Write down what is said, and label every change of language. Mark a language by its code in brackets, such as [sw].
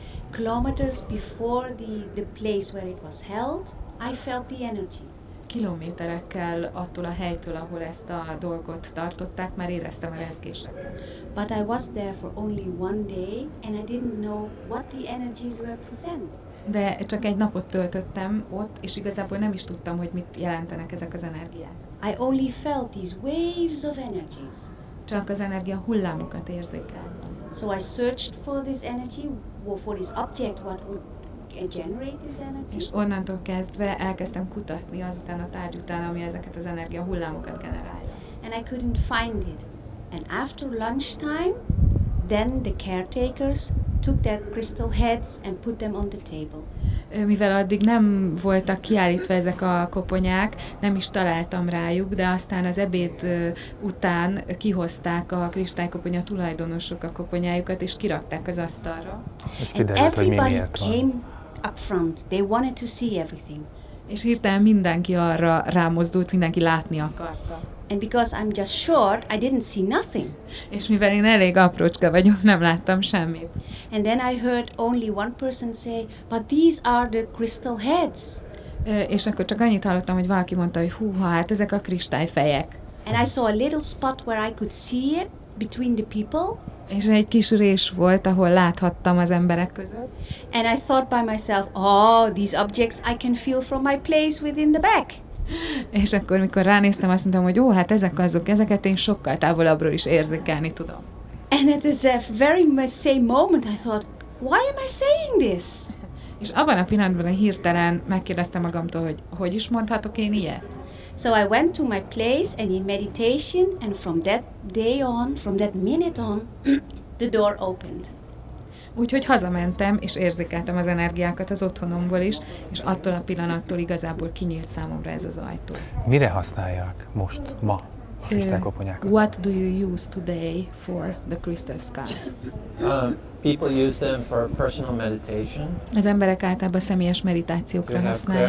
[en] Kilometers before the place where it was held, I felt the energy. [hu] Kilométerekkel attól a helytől, ahol ezt a dolgot tartották, már éreztem a rezgéseket. [en] But I was there for only one day, and I didn't know what the energies represent. [hu] De csak egy napot töltöttem ott, és igazából nem is tudtam, hogy mit jelentenek ezek az energiák. [en] I only felt these waves of energies. [hu] Csak az energia hullámokat érzékeltem. [en] So I searched for this energy, for this object, what would generate this energy. [hu] És onnantól kezdve elkezdtem kutatni azután a tárgy után, ami ezeket az energia hullámokat generálja. [en] And I couldn't find it. And after lunchtime, then the caretakers took their crystal heads and put them on the table. [hu] Mivel addig nem voltak kiállítva ezek a koponyák, nem is találtam rájuk, de aztán az ebéd után kihozták a kristálykoponya tulajdonosok a koponyájukat, és kirakták az asztalra. És kiderült, hogy mi miért van. [en] Came up front. They wanted to see everything. [hu] És hirtelen mindenki arra rámozdult, mindenki látni akarta. [en] And because I'm just short, I didn't see nothing. [hu] És mivel én elég aprócska vagyok, nem láttam semmit. [en] And then I heard only one person say, but these are the crystal heads. [hu] És akkor csak annyit hallottam, hogy valaki mondta, hogy húha, hát ezek a kristályfejek. [en] And I saw a little spot where I could see it between the people. [hu] És egy kis rés volt, ahol láthattam az emberek között. [en] And I thought by myself, oh, these objects I can feel from my place within the back. [hu] És akkor, mikor ránéztem, azt mondtam, hogy ó, hát ezek azok, ezeket én sokkal távolabbról is érzékelni tudom. [en] And at the very same moment I thought, why am I saying this? [hu] És abban a pillanatban hirtelen megkérdeztem magamtól, hogy hogy is mondhatok én ilyet? [en] So I went to my place and in meditation, and from that day on, from that minute on, the door opened. [hu] Úgyhogy hazamentem, és érzékeltem az energiákat az otthonomból is, és attól a pillanattól igazából kinyílt számomra ez az ajtó. Mire használják most, ma a kristálykoponyákat? [en] What do you use today for the crystal skies? People use them for personal meditation. [hu] Az emberek általában személyes meditációkra használják.